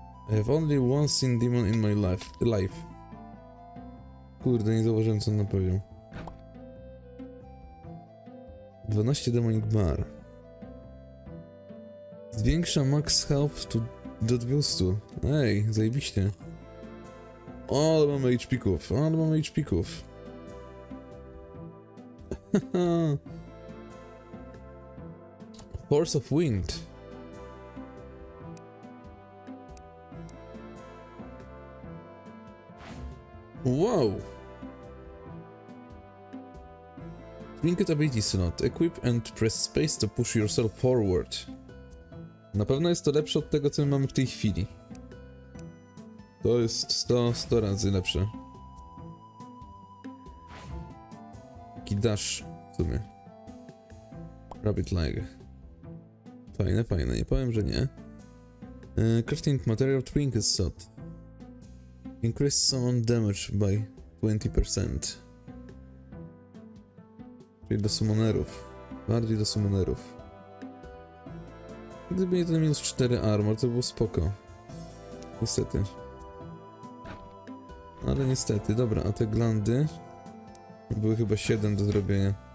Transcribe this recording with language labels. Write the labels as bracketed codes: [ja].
[en] I have only once seen demon in my life. [pl] Kurde, nie zauważyłem, co on napowiedział. [en] 12 demonic bar. [pl] Zwiększa max health do 200. Ej, zajebiście. O, ale mamy HP-ków, ale mamy HP-ków. [en] Force of Wind. Wow. Trinket Ability Slot. Equip and press space to push yourself forward. [pl] Na pewno jest to lepsze od tego, co my mamy w tej chwili. To jest 100 razy lepsze. Taki dash w sumie. Rabbit leg. Fajne, fajne, nie powiem, że nie. [en] Crafting material trinket slot. Increase summon damage by 20%. [pl] Czyli do summonerów. Bardziej do summonerów. Gdyby nie ten minus 4 armor, to było spoko. Niestety. Ale niestety, dobra, a te glandy były chyba 7 do zrobienia.